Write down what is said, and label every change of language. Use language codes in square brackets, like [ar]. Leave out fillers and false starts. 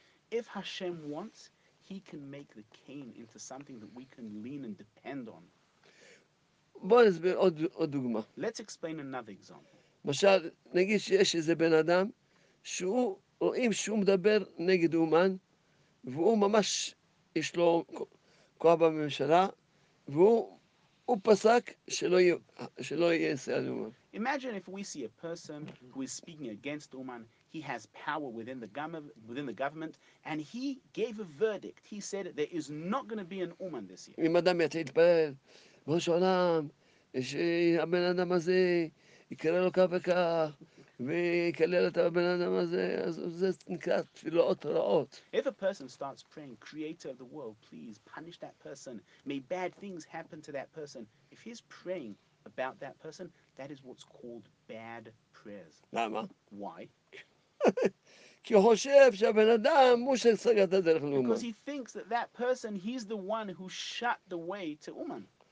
[en] If Hashem wants, he can make the cane into something that we can lean and depend on. [he] בוא נסביר עוד דוגמה. [en] Let's explain another example. [he] למשל, נגיד שיש איזה בן אדם שהוא רואים שהוא מדבר נגד אומן, והוא ממש יש לו כוח בממשלה, והוא פסק שלא יהיה סייע לאומן. [en] Imagine if we see a person who is speaking against Uman, he has power within the government, and he gave a verdict. He said there is not going to be an Uman this year. [he] אם אדם יתחיל להתפלל, ראש העולם, שהבן אדם הזה יקלל לו כך וכך, ויקלל את הבן אדם הזה, אז זה נקרא תפילות רעות. [en] If a person starts praying, creator of the world, please punish that person, may bad things happen to that person, if he's praying about that person, that is what's called bad prayers. [he] למה? [en] Why? Because he thinks that that person, he's the one who shut the way to Uman.